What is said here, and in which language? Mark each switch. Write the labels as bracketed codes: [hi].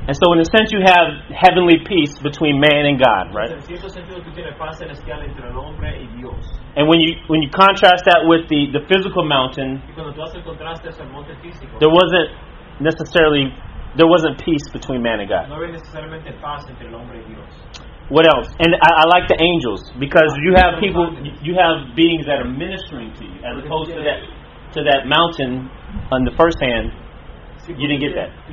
[en] And so in a sense you have heavenly peace between man and God, right? [es] En cierto sentido tú tienes paz celestial entre el hombre y Dios. [en] And when you contrast that with the physical mountain, [es] y cuando tú haces contraste es el monte físico, [en] there wasn't peace between man and God. [es] No había necesariamente paz entre el hombre y Dios. [en] What else? And I like the angels because you have people, you have beings that are ministering to you, as opposed to that mountain. On the first hand, you didn't get that.